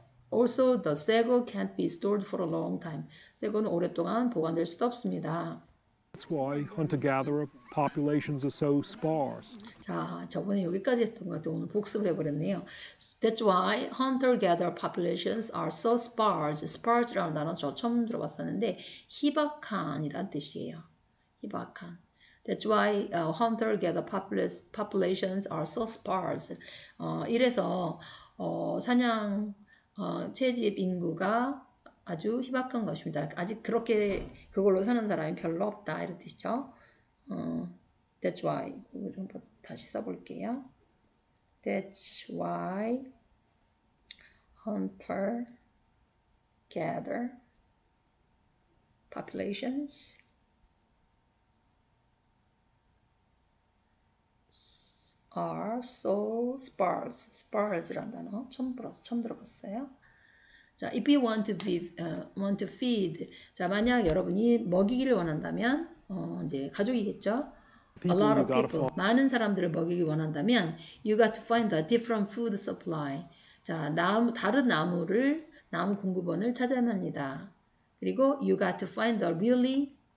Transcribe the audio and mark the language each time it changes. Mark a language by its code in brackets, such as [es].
[en] Also the sago can't be stored for a long time. [ko] 새고는 오랫동안 보관될 수도 없습니다. [en] That's why hunter-gatherer populations are so sparse. [ko] 자, 저번에 여기까지 했던 것 같아요. 오늘 복습을 해버렸네요. [en] That's why hunter-gatherer populations are so sparse. [ko] Sparse라는 단어 저 처음 들어봤었는데 희박한이란 뜻이에요. 희박한. [en] That's why hunter-gatherer populations are so sparse. [ko] 이래서 사냥 채집 인구가 아주 희박한 것입니다. 아직 그렇게 그걸로 사는 사람이 별로 없다 이런 뜻이죠. [en] That's why [ko] 이거 좀 다시 써볼게요. [en] That's why hunter gather populations are so sparse. [ko] Sparse란 단어 처음 들어봤어요. [en] 자, if you want to be want to feed. [ko] 자, 만약 여러분이 먹이기를 원한다면 이제 가족이겠죠? [en] A lot of people. [ko] 많은 사람들을 먹이기 원한다면 [en] you got to find a different food supply. [ko] 자, 다른 나무 공급원을 찾아야 합니다. 그리고 [en] you got to find a really